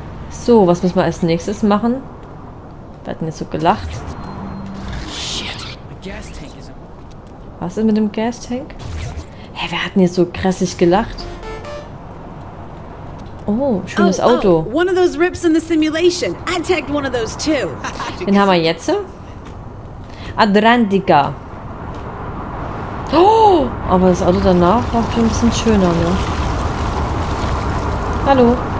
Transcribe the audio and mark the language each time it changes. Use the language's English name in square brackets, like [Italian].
[German] So, was müssen wir als nächstes machen? Wir hatten jetzt so gelacht. Was ist mit dem Gastank? Hä, wir hatten jetzt so krassig gelacht. Oh, schönes Auto. [English] One of those rips in the simulation. I tagged one of those too. [German] Den haben wir jetzt? Adrantica. Oh, aber das Auto danach war schon ein bisschen schöner, ne? Hallo.